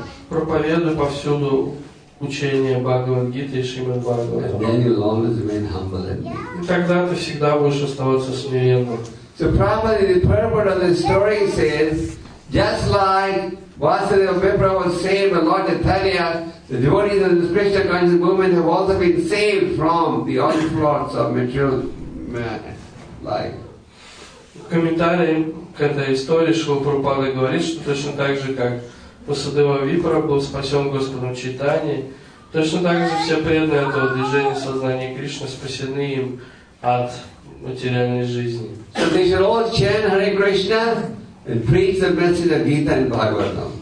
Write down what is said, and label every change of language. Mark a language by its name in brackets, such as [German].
[Russian] Проповедуй повсюду учение Бхагавад-гиты и Шримад-Бхагаватам. И тогда ты всегда будешь оставаться смиренным. [English] So probably the purport of the story says, just like Vasudeva Vipra was saved by Lord Chaitanya, the devotees of the spiritual conscious movement have also been saved from the onslaughts of material life. [Russian] В комментарии к этой истории Шрила Прабхупада говорит, что точно так же, как Васудева Випра был спасен Господом Чайтаньей, точно так же все преданные этого движения сознания Кришны спасены им от материальной жизни. [English] So they should all chant Hare Krishna and preach the message of Gita and Bhagavatam.